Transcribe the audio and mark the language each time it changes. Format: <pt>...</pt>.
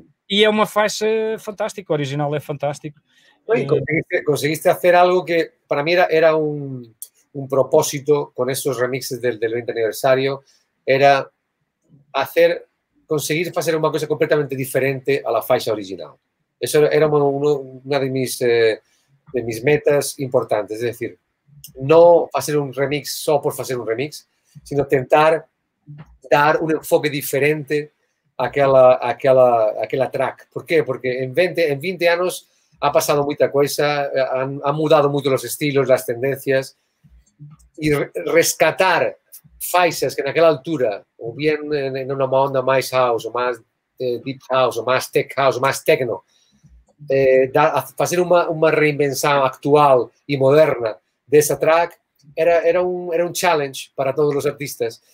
<pt>E é uma faixa fantástica, o original é fantástico. Oi, conseguiste fazer algo que para mim era um propósito com estes remixes do 20 aniversário, era fazer...</pt> <es>conseguir hacer una cosa completamente diferente a la faixa original. Eso era una de mis metas importantes. Es decir, no hacer un remix solo por hacer un remix, sino intentar dar un enfoque diferente a aquella track. ¿Por qué? Porque en 20 años ha pasado mucha cosa, han mudado mucho los estilos, las tendencias, y rescatar</es> <pt>faixas que naquela altura, ou bem numa onda mais house, ou mais deep house, ou mais tech house, ou mais techno, fazer uma reinvenção atual e moderna dessa track era um challenge para todos os artistas.</pt>